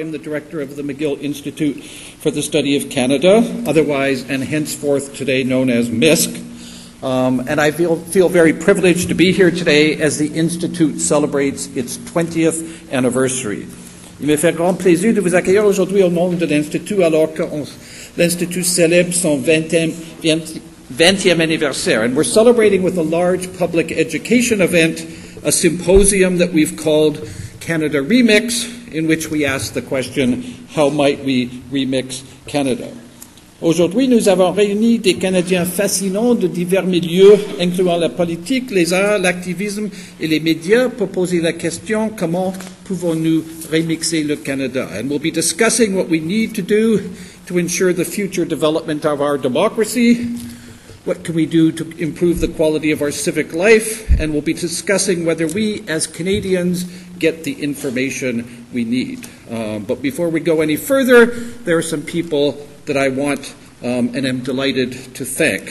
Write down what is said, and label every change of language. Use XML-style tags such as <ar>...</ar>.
<en>I'm the director of the McGill Institute for the Study of Canada, otherwise and henceforth today known as MISC. And I feel very privileged to be here today as the Institute celebrates its 20th anniversary.</en> <fr>Il me fait grand plaisir de vous accueillir aujourd'hui au nom de l'Institut alors que l'Institut célèbre son</fr> <en>20th</en> <fr>anniversaire.</fr> <en>And we're celebrating with a large public education event, a symposium that we've called Canada Remix, in which we ask the question, how might we remix Canada?</en> <fr>Aujourd'hui, nous avons réuni des Canadiens fascinants de divers milieux, incluant la politique, les arts, l'activisme et les médias, pour poser la question, comment pouvons-nous remixer le Canada?</fr> <en>And we'll be discussing what we need to do to ensure the future development of our democracy. What can we do to improve the quality of our civic life? And we'll be discussing whether we, as Canadians, get the information we need. But before we go any further, there are some people that I want and am delighted to thank.</en>